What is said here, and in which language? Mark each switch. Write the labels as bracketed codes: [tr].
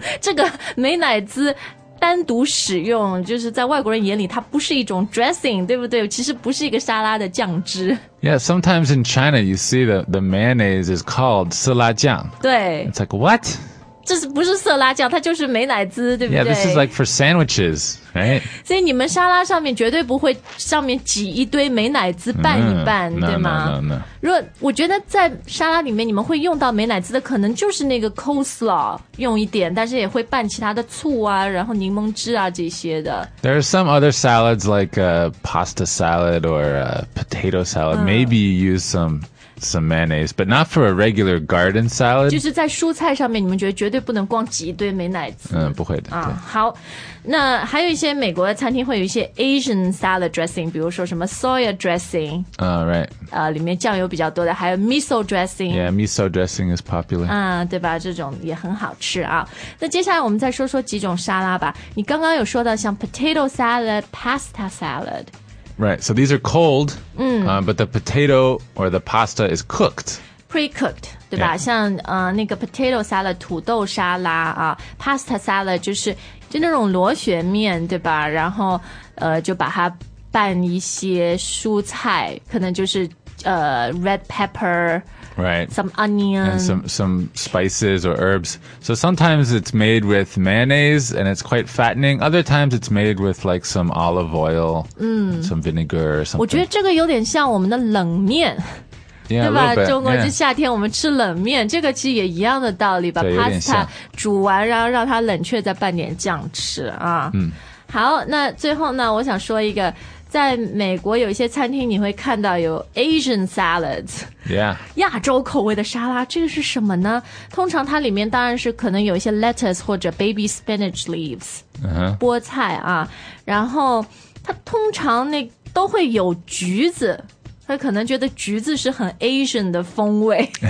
[zh] 这个美乃滋单独使用就是在外国人眼里它不是一种 dressing, 对不对其实不是一个沙拉的酱汁。 [en] Yeah, sometimes in China you see the mayonnaise is called 色拉酱。 [zh] 对。 [en] It's like, what? [zh] 这是不是色拉酱它就是美乃滋对不对 [en] Yeah, this is like for sandwiches, right? [zh] 所以你们沙拉上面绝对不会上面挤一堆美乃滋拌一拌、对吗 [en] No. [zh] 如果我觉得在沙拉里面你们会用到美乃滋的可能就是那个 coleslaw 用一点但是也会拌其他的醋啊然后柠檬汁啊这些的 [en] There are some other salads like a pasta salad or a potato salad. Maybe you use some mayonnaise, but not for a regular garden salad. [zh] 就是在蔬菜上面你们觉得绝对不能光挤一堆美乃滋。不会的。好那还有一些美国的餐厅会有一些 Asian salad dressing, 比如说什么 soy dressing. [en] Right. [zh] 里面酱油比较多的还有 miso dressing. [en] Yeah, miso dressing is popular. [zh] 对吧这种也很好吃啊。那接下来我们再说说几种沙拉吧。你刚刚有说到像 potato salad, pasta salad, [en] Right, so these are cold, but the potato or the pasta is cooked. Pre-cooked, 对吧、 yeah. [zh] 像、那个 potato salad, 土豆沙拉、pasta salad 就那种螺旋面对吧然后、就把它拌一些蔬菜可能就是、red pepper, [en] Right. Some onion. And some spices or herbs. So sometimes it's made with mayonnaise and it's quite fattening. Other times it's made with like some olive oil, some vinegar or something. [zh] 我觉得这个有点像我们的冷面。 [en] Yeah, [zh] 对吧中国就夏天我们吃冷面、这个其实也一样的道理吧 Pasta 煮完然后让它冷却再拌点酱吃啊。好那最后呢我想说一个在美国有一些餐厅你会看到有 Asian salads、亚洲口味的沙拉这个是什么呢通常它里面当然是可能有一些 lettuce 或者 baby spinach leaves、菠菜啊然后它通常那都会有橘子他可能觉得橘子是很 Asian 的风味